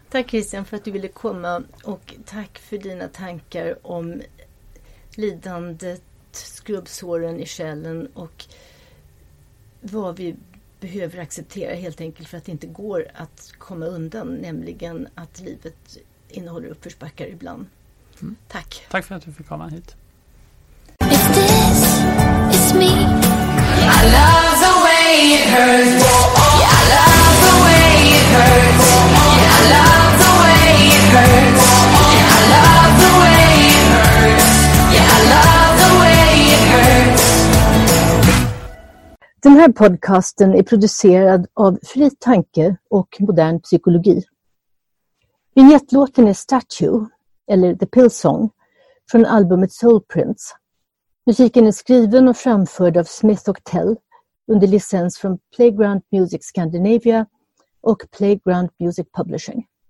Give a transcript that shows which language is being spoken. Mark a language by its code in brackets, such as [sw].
[sv] Tack Christian för att du ville komma, och tack för dina tankar om lidandet, skrubbsåren i själen och vad vi behöver acceptera helt enkelt för att det inte går att komma undan, nämligen att livet innehåller uppförsbackar ibland. Mm. Tack. Tack för att du fick komma hit. [en] If this is me, I love the way it hurts. Yeah, I love the way it hurts. Yeah, I love the way it hurts. Yeah, I love the way it hurts. Yeah, I love the way it hurts. [sv] Den här podcasten är producerad av Fri Tanke och Modern Psykologi. Vignettlåten är Statue, eller The Pill Song, från albumet Soul Prince. Musiken är skriven och framförd av Smith & Tell under licens från Playground Music Scandinavia och Playground Music Publishing.